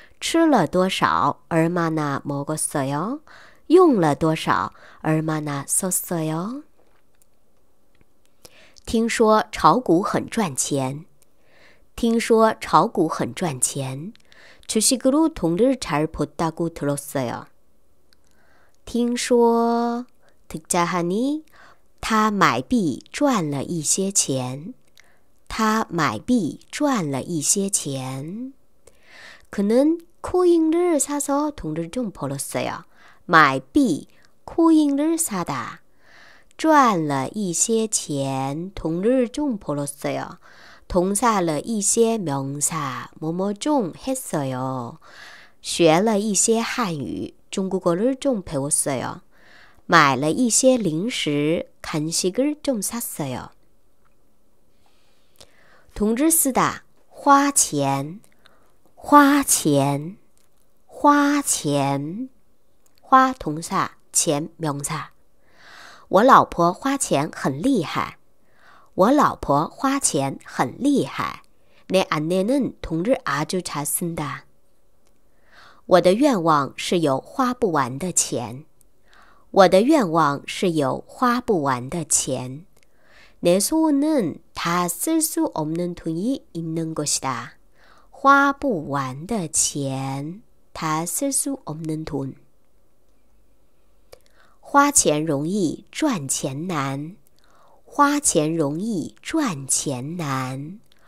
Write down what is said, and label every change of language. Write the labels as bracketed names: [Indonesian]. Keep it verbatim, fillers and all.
[Chinese] 吃了多少 [Korean] 얼마나 먹었어요. [Chinese] 用了多少 [Korean] 얼마나 썼어요. [Chinese] 听说炒股很赚钱.听说炒股很赚钱. [Korean] 주식으로 돈을 잘 벌었다고 들었어요. [Chinese] 听说 [Korean] 듣자하니 [Chinese] 他买币赚了一些钱. 他买币赚了一些钱. [Korean] 그는 코인을 사서 돈을 좀 벌었어요. [Chinese] 买币, [Korean] 코인을 사다. [Chinese] 赚了一些钱, [Korean] 돈을 좀 벌었어요. 동사了一些 명사, 뭐뭐 좀 했어요. [Chinese] 学了一些汉语, [Korean] 중국어를 좀 배웠어요. [Chinese] 买了一些零食, [Korean] 간식을 좀 샀어요. 동을 쓰다, [Chinese] 花钱, 花钱, 花钱. 花 동사, 钱 명사. 我老婆花钱很厉害. 我老婆花钱很厉害. [Korean] 내 아내는 동을 아주 잘 쓴다. [Chinese] 我的愿望是有花不完的钱.我的愿望是有花不完的钱. [Korean] 내 소원은 다 쓸 수 없는 돈이 있는 것이다. [Chinese] 花不完的钱, [Korean] 다 쓸 수 없는 돈. [Chinese] 花钱容易赚钱难.花钱容易赚钱难.